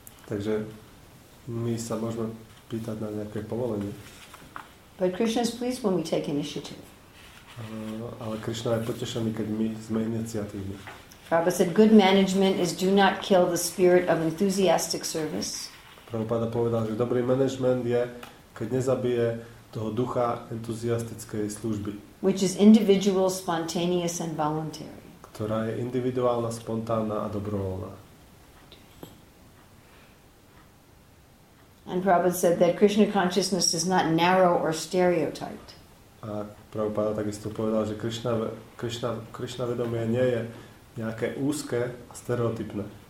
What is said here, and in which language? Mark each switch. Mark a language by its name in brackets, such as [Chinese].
[Slovak] Takže my sa môžeme pýtať na nejaké povolenie. [English] But Krishna is pleased when we take initiative. [Slovak] Ale Krishna je potešený, keď my sme iniciatívni. [English] Prabhupada said, good management is do not kill the spirit of enthusiastic service. [Slovak] Prabhupada povedal, že dobrý management je, keď nezabije toho ducha entuziastickej služby. [English] Which is individual, spontaneous and voluntary. [Slovak] Ktorá je individuálna, spontánna a dobrovoľná. [English] And Prabhupada said that Krishna consciousness is not narrow or stereotyped. [Slovak] A Prabhupada takisto povedal, že Krishna vedomie nie je nejaké úzke a stereotypné.